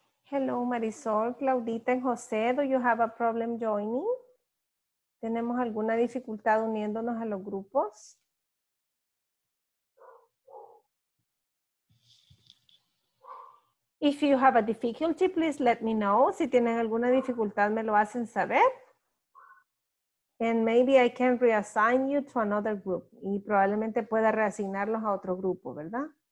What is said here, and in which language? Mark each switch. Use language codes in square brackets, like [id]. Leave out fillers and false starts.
[en] Hello, Marisol, Claudita, and José. Do you have a problem joining? [es] ¿Tenemos alguna dificultad uniéndonos a los grupos? [en] If you have a difficulty, please let me know. [es] Si tienen alguna dificultad, me lo hacen saber. [en] And maybe I can reassign you to another group. [es] Y probablemente pueda reasignarlos a otro grupo, ¿verdad?